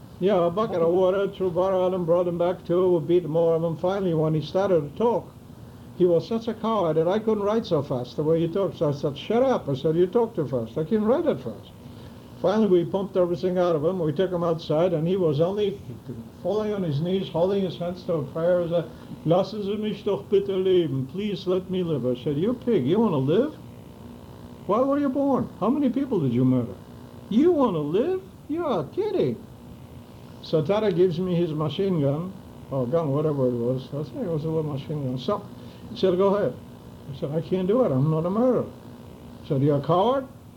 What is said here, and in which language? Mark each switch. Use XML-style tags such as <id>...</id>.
<en>Yeah, a bucket of water, threw water at him, brought him back too, we beat more of him. Finally, when he started to talk, he was such a coward that I couldn't write so fast the way he talked. So I said, shut up. I said, you talk too fast. I can't write that fast. Finally, we pumped everything out of him. We took him outside, and he was only falling on his knees, holding his hands to a prayer. He said,</en> <de>lassen Sie mich doch bitte leben.</de> <en>Please let me live. I said, you pig, you want to live? Why were you born? How many people did you murder? You want to live? You're kidding. So Tata gives me his machine gun, or gun, whatever it was. I think it was a little machine gun. So he said, go ahead. I said, I can't do it. I'm not a murderer. He said, you're a coward?</en>